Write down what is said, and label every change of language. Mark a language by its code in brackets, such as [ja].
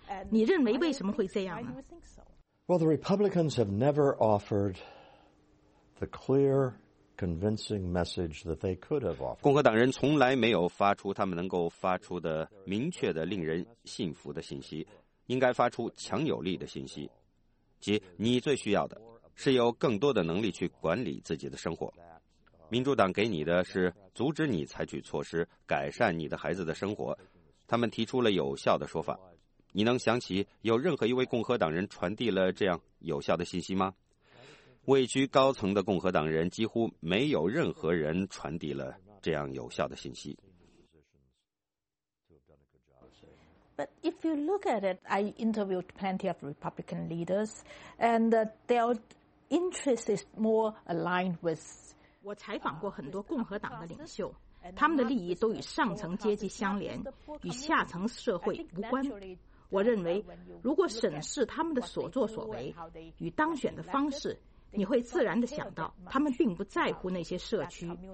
[zh] 你认为为什么会这样呢？ [en] Well, the Republicans have never offered the clear convincing message that they could have offered. [zh] 共和党人从来没有发出他们能够发出的明确的令人信服的信息，应该发出强有力的信息，即你最需要的是有更多的能力去管理自己的生活。民主党给你的是阻止你采取措施改善你的孩子的生活，他们提出了有效的说法。你能想起有任何一位共和党人传递了这样有效的信息吗？位居高层的共和党人几乎没有任何人传递了这样有效的信息。 [en] But if you look at it, I interviewed plenty of Republican leaders, and their interest is more aligned with [zh] 我采访过很多共和党的领袖，他们的利益都与上层阶级相连，与下层社会无关。我认为如果审视他们的所作所为与当选的方式，你会自然地想到他们并不在乎那些社区。